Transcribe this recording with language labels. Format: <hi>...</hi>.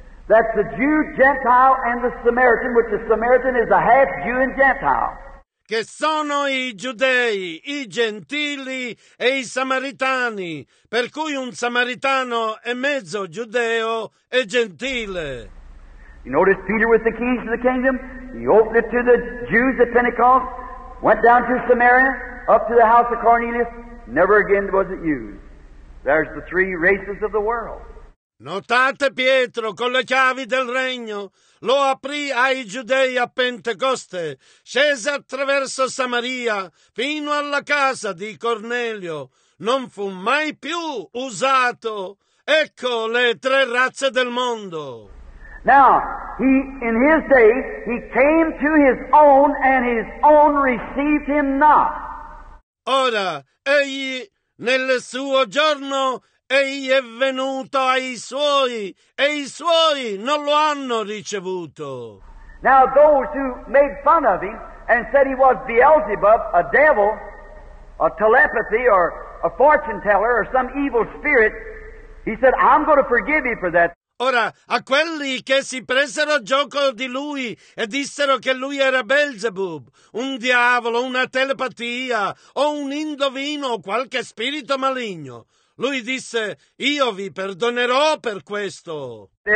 <en>That's the Jew, Gentile and the Samaritan, which the Samaritan is a half Jew and Gentile.</en> <it>Che sono i giudei, i gentili e i samaritani, per cui un samaritano è mezzo giudeo e gentile.</it> <en>You notice Peter with the keys to the kingdom? He opened it to the Jews at Pentecost, went down to Samaria, up to the house of Cornelius, never again was it used. There's the three races of the world.</en> <it>Notate Pietro con le chiavi del regno, lo aprì ai giudei a Pentecoste, scese attraverso Samaria, fino alla casa di Cornelio, non fu mai più usato. Ecco le tre razze del mondo.</it> <en>Now, in his day, he came to his own, and his own received him not.</en> <it>Ora, egli, nel suo giorno, egli è venuto ai suoi, e i suoi non lo hanno ricevuto.</it> <en>Now, those who made fun of him and said he was Beelzebub, a devil, a telepathy, or a fortune teller, or some evil spirit, he said, I'm going to forgive you for that.</en> <it>Ora, a quelli che si presero gioco di lui e dissero che lui era Beelzebub, un diavolo, una telepatia o un indovino o qualche spirito maligno, lui disse, io vi perdonerò per questo.</it>